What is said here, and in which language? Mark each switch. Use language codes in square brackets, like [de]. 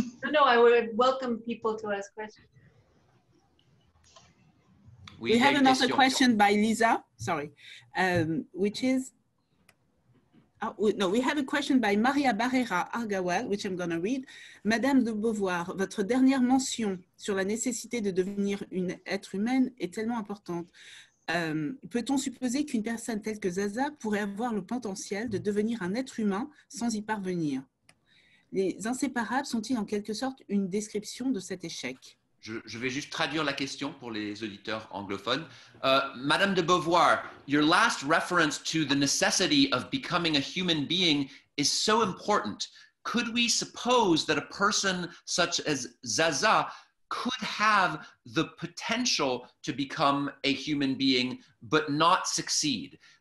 [en] No, I would welcome people to ask questions. We have another question by Lisa, sorry, which is... we have a question by Maria Barrera Argawal, which I'm going to read. [fr] Madame de Beauvoir, votre dernière mention sur la nécessité de devenir une être humaine est tellement importante. Peut-on supposer qu'une personne telle que Zaza pourrait avoir le potentiel de devenir un être humain sans y parvenir? Les inséparables sont-ils en quelque sorte une description de cet échec? Je vais juste traduire la question pour les auditeurs anglophones. [en] Madame de Beauvoir, your last reference to the necessity of becoming a human being is so important. Could we suppose that a person such as Zaza could have the potential to become a human being but not succeed?